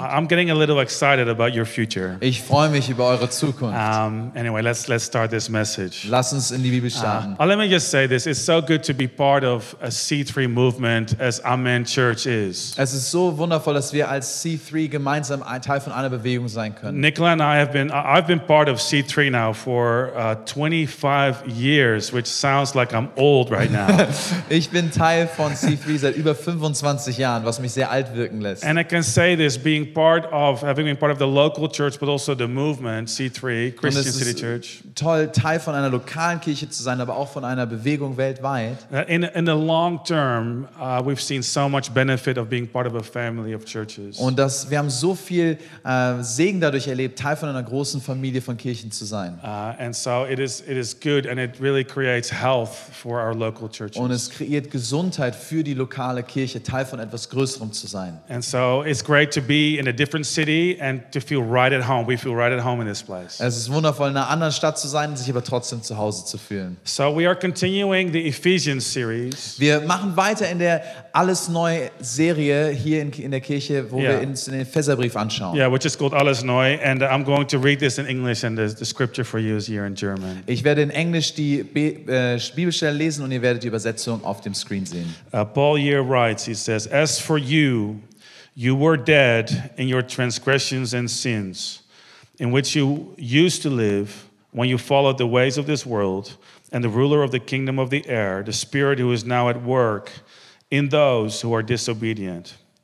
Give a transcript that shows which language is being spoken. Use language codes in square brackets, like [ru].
[en] I'm getting a little excited about your future. [de] Ich freue mich über eure Zukunft. [en] Anyway, let's start this message. [de] Lass uns in die Bibel starten. [en] Let me just say this: it's so good to be part of a C3 movement as Amen Church is. [de] Es ist so wundervoll, dass wir als C3 gemeinsam ein Teil von einer Bewegung sein können. [en] Nicola and I have been part of C3 now for 25 years, which sounds like I'm old right now. [de] Ich bin Teil von C3 seit über 25 Jahren. Was mich sehr alt wirken lässt. [en] And I can say this, being part of, having been part of the local church, but also the movement, C3, Christian [de] und es ist [en] City Church. [de] Toll, Teil von einer lokalen Kirche zu sein, aber auch von einer Bewegung weltweit. [en] In the long term, we've seen so much benefit of being part of a family of churches. [de] Und dass wir haben so viel Segen dadurch erlebt, Teil von einer großen Familie von Kirchen zu sein. [en] And so it is good, and it really creates health for our local churches. [de] Und es kreiert Gesundheit für die lokale Kirche, Teil von etwas Größerem zu sein. [en] And so it's great to be in a different city and to feel right at home. We feel right at home in this place. [de] Es ist wundervoll, in einer anderen Stadt zu sein, sich aber trotzdem zu Hause zu fühlen. [en] So we are continuing the Ephesians series. [de] Wir machen weiter in der Alles Neu Serie hier in der Kirche, wo yeah. wir uns den Epheserbrief anschauen. [en] Yeah, which is called Alles Neu, and I'm going to read this in English, and the scripture for you is here in German. [de] Ich werde in Englisch die Bibelstelle lesen und ihr werdet die Übersetzung auf dem Screen sehen. [en] Paul here writes, he says, as for you, you were dead in your transgressions and sins, in which you used to live when you followed the ways of this world and the ruler of the kingdom of the air, the spirit who is now at work in those who are disobedient.